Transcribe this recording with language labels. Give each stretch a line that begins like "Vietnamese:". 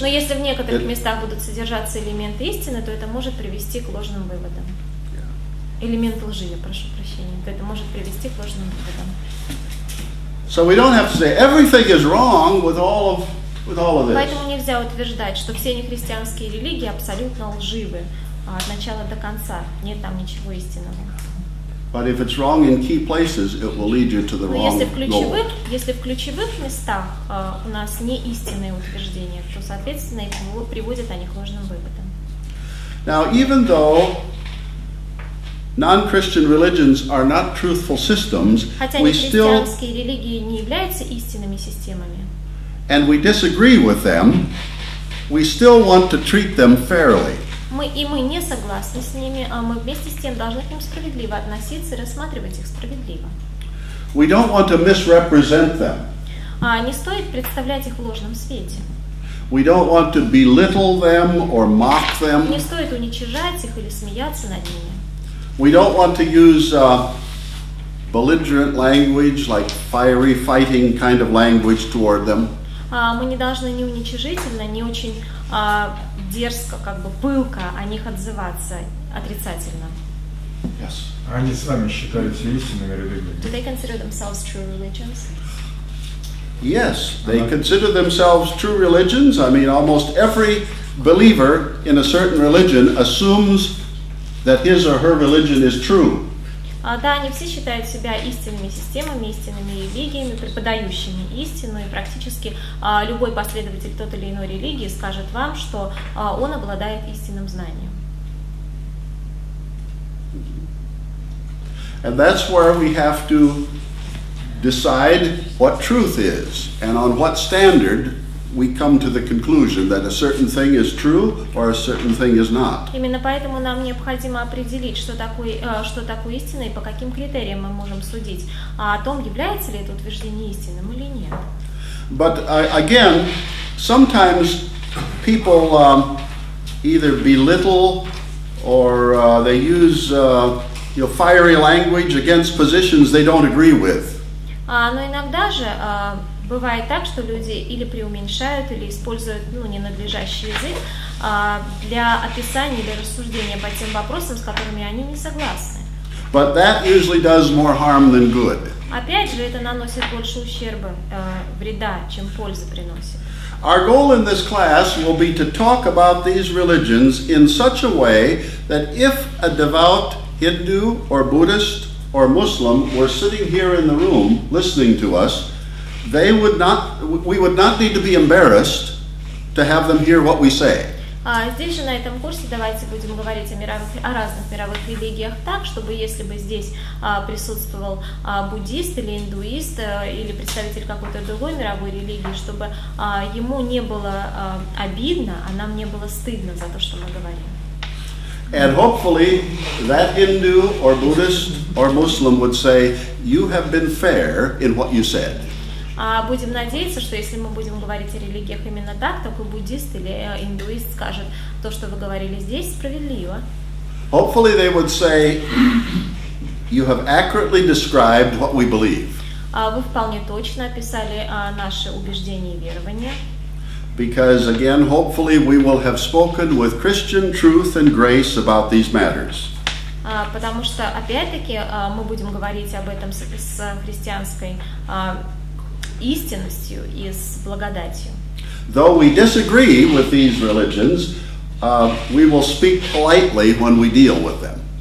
Russian: но если в некоторых местах будут содержаться элементы истины, то это может привести к ложным выводам.
English: Yeah.
Russian: Элемент лжи, я прошу прощения, то это может привести к ложным выводам.
English: So we don't have to say everything is wrong with all of this.
Russian: Поэтому нельзя утверждать, что все нехристианские религии абсолютно лживы от начала до конца. Нет там ничего истинного.
English: But if it's wrong in key places, it will lead you to the wrong goal.
Russian: Если в ключевых местах у нас не истинные утверждения, то, соответственно, приводят они к ложным выводам.
English: Now, even though non-Christian religions are not truthful systems, we still
Russian: христианские религии не являются истинными системами,
English: and we disagree with them, we still want to treat them fairly.
Russian: Мы не согласны с ними, а мы вместе с тем должны к ним справедливо относиться и рассматривать их справедливо.
English: We don't want to misrepresent them.
Russian: Не стоит представлять их в ложном свете.
English: We don't want to belittle them or mock them.
Russian: Не стоит уничижать их или смеяться над ними.
English: We don't want to use belligerent language, like fiery fighting kind of language toward them.
Russian: Мы не должны ни уничижительно, ни очень дерзко, как бы пылко о них отзываться отрицательно.
English: Yes.
Russian: Они сами считаются истинными религиями.
English: Do they consider themselves true religions? Yes, they consider themselves true religions. I mean, almost every believer in a certain religion assumes that his or her religion is true.
Russian: Да, они все считают себя истинными системами, истинными религиями, преподающими истину, и практически любой последователь той или иной религии скажет вам, что он обладает истинным знанием.
English: And that's where we have to decide what truth is, and on what standard we come to the conclusion that a certain thing is true or a certain thing is not.
Russian: Именно поэтому нам необходимо определить, что такое истина и по каким критериям мы можем судить, а о том, является ли это утверждение истинным или нет.
English: But again, sometimes people either belittle or they use fiery language against positions they don't agree with.
Russian: Но иногда же бывает так, что люди или преуменьшают, или используют ненадлежащий язык для описания, для рассуждения по тем вопросам, с которыми они не согласны.
English: But that usually does more harm than good.
Russian: Опять же, это наносит больше ущерба, вреда, чем пользы приносит.
English: Our goal in this class will be to talk about these religions in such a way that if a devout Hindu or Buddhist or Muslim were sitting here in the room listening to us, we would not need to be embarrassed to have them hear what we say.
Russian: Здесь же на этом курсе давайте будем говорить о разных мировых религиях так, чтобы если бы здесь присутствовал буддист или индуист или представитель какой-то другой мировой религии, чтобы ему не было обидно, а нам не было стыдно за то, что мы говорим.
English: And hopefully that Hindu or Buddhist or Muslim would say, you have been fair in what you said.
Russian: Будем надеяться, что если мы будем говорить о религиях именно так, то буддист или индуист скажет, то, что вы говорили здесь, справедливо.
English: Hopefully they would say, you have accurately described what we believe.
Russian: Вы вполне точно описали наши убеждения и верования.
English: Because again, hopefully we will have spoken with Christian truth and grace about these matters.
Russian: Потому что, опять-таки, мы будем говорить об этом с христианской истинностью и с благодатью.
English: Though we disagree with these religions, we will speak politely when we deal with them.